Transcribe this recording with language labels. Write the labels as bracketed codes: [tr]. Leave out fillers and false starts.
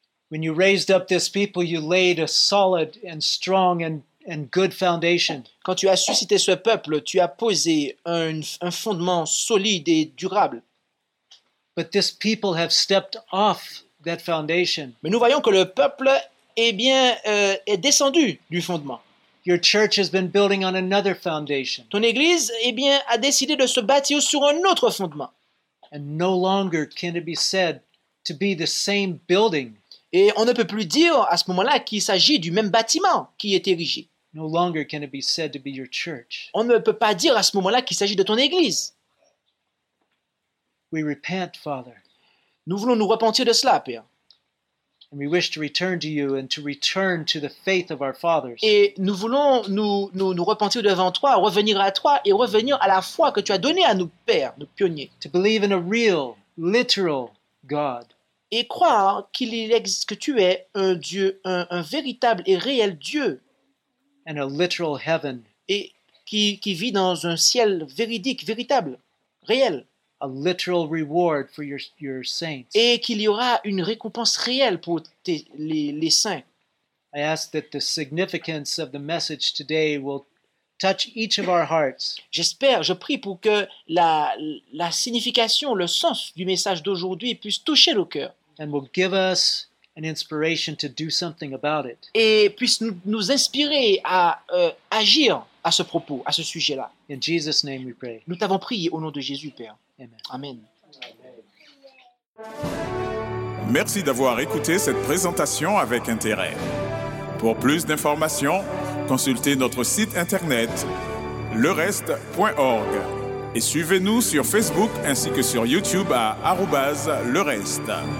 [en] When you raised up this people, you laid a solid and strong and good foundation. [fr] Quand tu as suscité ce peuple, tu as posé un fondement solide et durable. [en] But this people have stepped off that foundation. [fr] Mais nous voyons que le peuple est descendu du fondement. [en] Your church has been building on another foundation. [fr] Ton église a décidé de se bâtir sur un autre fondement. [en] And no longer can it be said to be the same building. [fr] Et on ne peut plus dire à ce moment-là qu'il s'agit du même bâtiment qui est érigé. [en] No longer can it be said to be your church. [fr] On ne peut pas dire à ce moment-là qu'il s'agit de ton église. [en] We repent, Father. [fr] Nous voulons nous repentir de cela, Père. [en] And we wish to return to you and to return to the faith of our fathers. [fr] Et nous voulons nous repentir devant toi, revenir à toi et revenir à la foi que tu as donnée à nos pères, nos pionniers. [en] To believe in a real, literal God. [fr] Et croire qu'il existe, que tu es un Dieu, un véritable et réel Dieu. [en] And a literal heaven. [fr] Et qui vit dans un ciel véridique, véritable, réel. [en] A literal reward for your saints. [fr] Et qu'il y aura une récompense réelle pour les saints. [en] I ask that the significance of the message today will touch each of our hearts. [fr] J'espère, je prie pour que la signification, le sens du message d'aujourd'hui puisse toucher nos cœurs. [en] And will give us an inspiration to do something about it. [fr] Et puisse nous inspirer à agir à ce propos, à ce sujet-là. [en] In Jesus' name we pray. [fr] Nous t'avons prié au nom de Jésus, Père. [en] Amen. [fr] Amen. Merci d'avoir écouté cette présentation avec intérêt. Pour plus d'informations, consultez notre site internet lereste.org et suivez-nous sur Facebook ainsi que sur YouTube à @lereste.